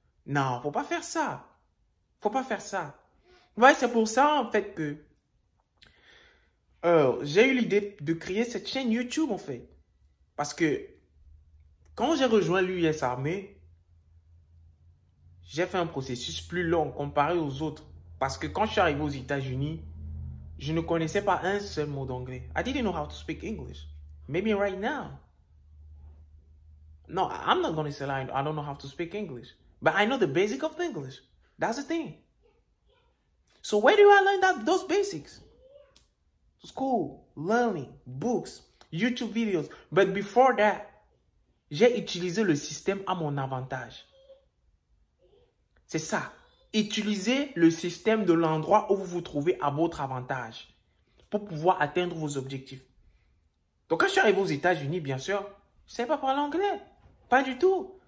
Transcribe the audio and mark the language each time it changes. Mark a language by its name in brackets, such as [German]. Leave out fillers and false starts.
[French] Non, faut pas faire ça. Faut pas faire ça. Ouais, c'est pour ça en fait que j'ai eu l'idée de créer cette chaîne YouTube en fait. Parce que quand j'ai rejoint l'US Army, j'ai fait un processus plus long comparé aux autres. Parce que quand je suis arrivé aux États-Unis, je ne connaissais pas un seul mot d'anglais. [English] I didn't know how to speak English. Maybe right now. No, I'm not going to say I don't know how to speak English. But I know the basic of English. That's the thing. So where do I learn that those basics? School, learning, books, YouTube videos. But before that, [French] j'ai utilisé le système à mon avantage. C'est ça. Utilisez le système de l'endroit où vous vous trouvez à votre avantage pour pouvoir atteindre vos objectifs. Donc quand je suis arrivé aux États-Unis, bien sûr, je ne sais pas parler anglais. Pas du tout.